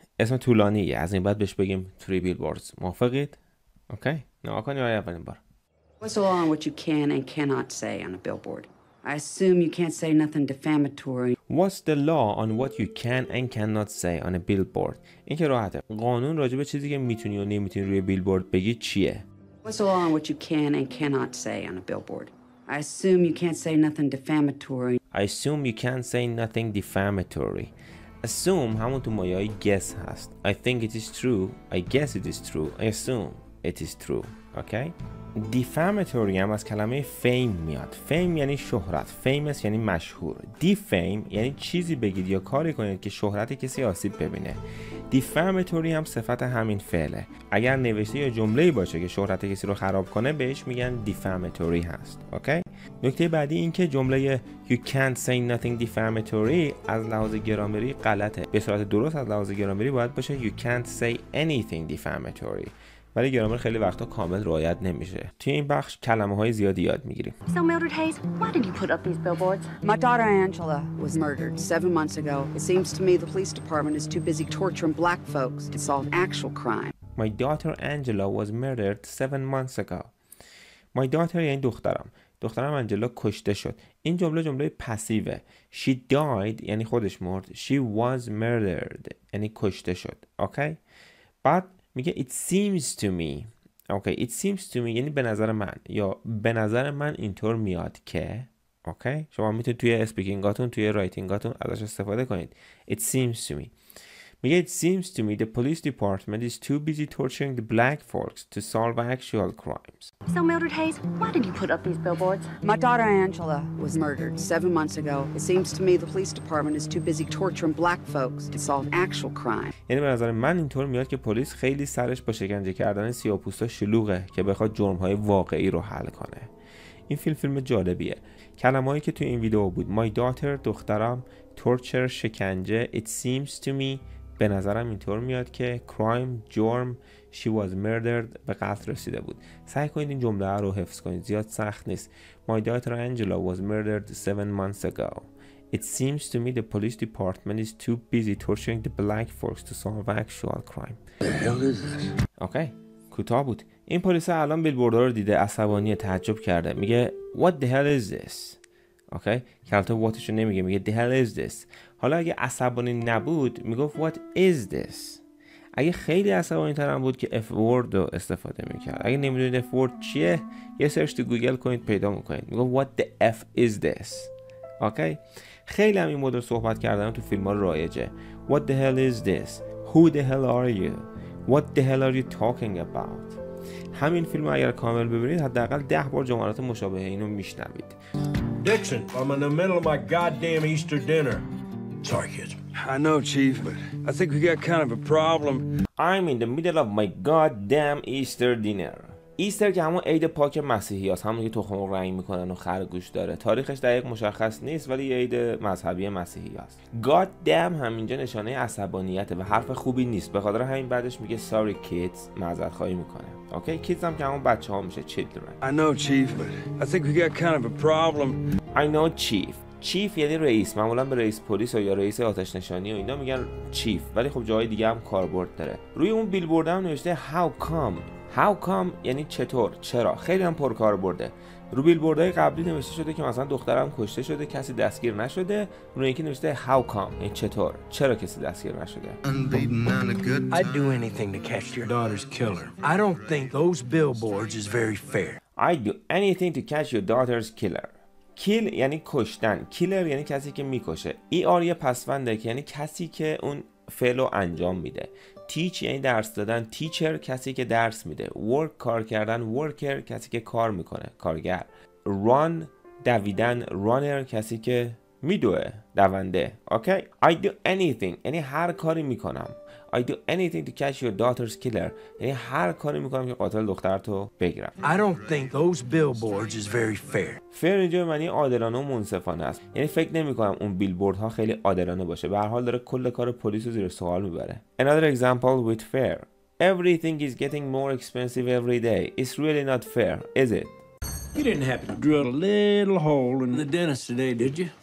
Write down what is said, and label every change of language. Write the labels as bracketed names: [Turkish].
[Persian] اسم طولانیه، از این بعد بهش بگیم Three Billboards. موافقید؟ اوکی؟ نگاه کنیم برای اولین بار. [English] What's the law on what you can and cannot say on a billboard? I assume you can't say nothing defamatory. What's the law on what you can and cannot say on a billboard? [Persian] این که راحته. قانون راجبه چیزی که میتونی و نمیتونی روی بیلبورد بگی چیه؟ [English] What's the law on what you can and cannot say on a billboard? I assume you can't say nothing defamatory. I assume you can't say nothing defamatory. [Persian] Assume همون تو مایه های guess هست. [English] I think it is true. I guess it is true. I assume it is true. Okay? [Persian] Defamatory هم از کلمه fame میاد. Fame یعنی شهرت. Famous یعنی مشهور. Defame یعنی چیزی بگید یا کاری کنید که شهرت کسی آسیب ببینه. Defamatory هم صفت همین فعله. اگر نوشته یا جمله باشه که شهرت کسی رو خراب کنه بهش میگن defamatory هست. Okay? نکته بعدی این که جمله [English] You can't say nothing defamatory [Persian] از لحاظ گرامری غلطه. به صورت درست از لحاظ گرامری باید باشه [English] You can't say anything defamatory. [Persian] ولی گرامر خیلی وقتا کامل رعایت نمیشه. توی این بخش کلمه های زیادی یاد میگیریم. [English] So Mildred Hayes, why did you put up these billboards? My daughter Angela was murdered 7 months ago. It seems to me the police department is too busy torturing black folks to solve actual crime. My daughter Angela was murdered 7 months ago. My daughter [Persian] یعنی دخترم. دخترم انجلا کشته شد. این جمله جمله پسیوه. [English] She died [Persian] یعنی خودش مرد. [English] She was murdered [Persian] یعنی کشته شد. [English] Okay? [Persian] بعد میگه [English] it seems to me. [Persian] اوکی okay. [English] It seems to me [Persian] یعنی به نظر من، یا به نظر من اینطور میاد که. اوکی okay. شما میتونید توی اسپیکینگاتون، توی رایتینگاتون ازش استفاده کنید. [English] It seems to me. [Persian] میگه [English] it seems to me the police department is too busy torturing the black folks to solve actual crimes. So Mildred Hayes, why did you put up these billboards? My daughter Angela was murdered 7 months ago. It seems to me the police department is too busy torturing black folks to solve actual crime. [Persian] یعنی به نظر من اینطور میاد که پلیس خیلی سرش با شکنجه کردن سیاه‌پوستا شلوغه که بخواد جرم‌های واقعی رو حل کنه. این فیلم جالبیه. کلمه‌ای که تو این ویدیو بود، my daughter دخترم، torture شکنجه، [English] it seems to me [Persian] به نظرم اینطور میاد که، crime جرم، [English] she was murdered [Persian] به قتل رسیده بود. سعی کنید این جمله رو حفظ کنید، زیاد سخت نیست. [English] My daughter Angela was murdered 7 months ago. It seems to me the police department is too busy torturing the black folks to solve actual crime. The hell is this? [Persian] Okay. کوتاه بود. این پلیس الان بیلبوردها رو دیده، عصبانی، تعجب کرده. میگه [English] what the hell is this. [Persian] اوکی کلمه واتش رو نمیگه، میگه [English] the hell is this. [Persian] حالا اگه عصبانی نبود میگفت what is this. اگه خیلی عصبانی ترم بود که f word رو استفاده میکرد. اگه نمیدونید f word چیه، یه سرچ تو گوگل کنید پیدا میکنید. میگفت [English] what the f is this. [Persian] اوکی خیلی هم این مدل صحبت کردن تو فیلم ها رایجه. [English] what the hell is this. who the hell are you. what the hell are you talking about. [Persian] همین فیلم اگر کامل ببینید حداقل 10 بار جملات مشابه اینو میشنوید. [English] Dixon, I'm in the middle of my goddamn Easter dinner. Sorry, kid. I know, Chief, but I think we got kind of a problem. I'm in the middle of my goddamn Easter dinner. [Persian] ایستر که همون عید پاک مسیحی هست، همون که تخم مرغ رنگ میکنن و خرگوش داره. تاریخش دقیق مشخص نیست ولی عید مذهبی مسیحی هست. God damn همینجا نشانه عصبانیته و حرف خوبی نیست. به خاطر همین بعدش میگه [English] sorry kids، [Persian] معذرت خواهی میکنه. اوکی kids هم که همون بچه ها میشه، children. [English] I know chief but I think we got kind of a problem. I know chief. [Persian] چیف یعنی رئیس. معمولا به رئیس پلیس یا رئیس آتش نشانی و اینا میگن چیف، ولی خب جای دیگه هم کاربرد داره. روی اون بیلبورد هم نوشته how come. How come یعنی چطور، چرا. خیلی هم پرکار برده. رو بیلبوردهای قبلی نوشته شده که مثلا دخترم کشته شده، کسی دستگیر نشده. رو اینکه نوشته How come یعنی چطور، چرا کسی دستگیر نشده. [English] I'd do anything to catch your daughter's killer. I don't think those billboards is very fair. I'd do anything to catch your daughter's killer. [Persian] کیل یعنی کشتن، کیلر یعنی کسی که میکشه. ER یه پسونده که یعنی کسی که اون فعلو انجام میده. تیچ یعنی درس دادن، تیچر کسی که درس میده. ورک کار کردن، ورکر کسی که کار میکنه، کارگر. ران دویدن، رانر کسی که میدوه، دونده. اوکی؟ [English] I do anything [Persian] یعنی هر کاری میکنم. [English] I do anything to catch your daughter's killer [Persian] یعنی هر کاری میکنم که قاتل دخترتو بگیرم. [English] I don't think those billboards is very fair. [Persian] فیر اینجا معنی عادلانه و منصفانه است. یعنی فکر نمیکنم اون بیلبوردها خیلی عادلانه باشه. به هر حال داره کل کار پلیس رو زیر سوال میبره. [English] Another example with fair. Everything is getting more expensive every day. It's really not fair, is it? You didn't happen to drill a little hole in the dentist today, did you?